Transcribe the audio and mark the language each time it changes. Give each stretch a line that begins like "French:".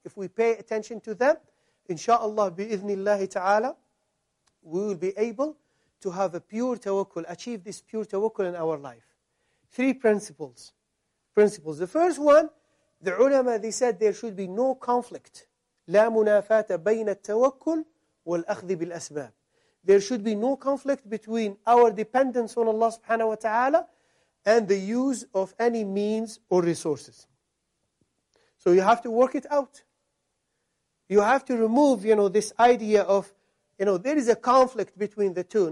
English: If we pay attention to them, inshallah, bi-idhnillahi ta'ala, we will be able to have a pure tawakkul, achieve this pure tawakkul in our life. Three principles. The first one, the ulama, they said there should be no conflict.
Arabic: لا منافات بين التوكل والأخذ بالأسباب.
English: There should be no conflict between our dependence on Allah subhanahu wa ta'ala and the use of any means or resources. So you have to work it out. You have to remove, you know, this idea of, you know, there is a conflict between the two.